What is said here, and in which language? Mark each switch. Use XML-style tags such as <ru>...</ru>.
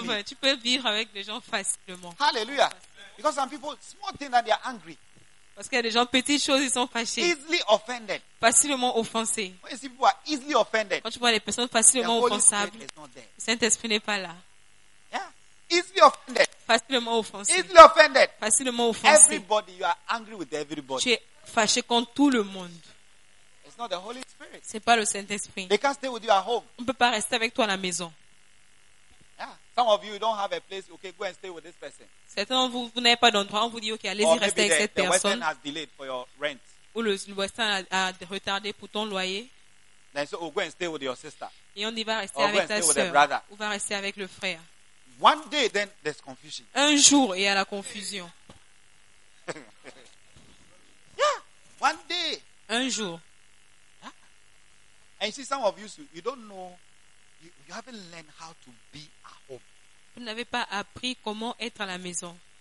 <fr>Enfin, tu peux vivre avec les gens facilement. Hallelujah.</fr> <en>Because some people, small thing that they are angry.</en> <fr>Parce qu'il y a des gens, petites choses, ils sont fâchés.</fr> <en>Easily offended.</en> <fr>Facilement offensés.</fr> <en>When you see people are easily offended.</en> <fr>Quand tu vois les personnes facilement offensables, le Saint-Esprit n'est pas là.</fr> <en>Yeah. Easily offended.</en> <fr>Facilement offensé.</fr> <en>Easily offended.</en> <fr>Facilement offensé.</fr> <en>Everybody, you are angry with everybody.</en> <fr>Tu es fâché contre tout le monde.</fr> <en>It's not the Holy Spirit.</en> <fr>C'est pas le Saint-Esprit.</fr> <en>They can't stay with you at home.</en> <fr>On peut pas rester avec toi à la maison. Yeah.</fr> <en>Some of you don't have a place. Okay, go and stay with this person.</en> <fr>Certains d'entre vous n'avez pas d'endroit. On vous dit, ok, allez-y, restez avec cette personne.</fr> <en>Or maybe the Western has delayed for your rent.</en> <fr>Ou le Western a retardé pour ton loyer.</fr> <en>Then so, go and stay with your sister.</en> <fr>Et on y va rester avec ta sœur. Ou va rester avec le frère.</fr> <en>One day, then there's confusion.</en> <fr>Un jour, il y a la confusion.</fr> <en>Yeah, one day.</en> <fr>Un jour.</fr> <en>And you see, some of you, you don't know, you haven't learned how to be at home.</en> <fr>Vous n'avez pas appris comment être à la maison.</fr>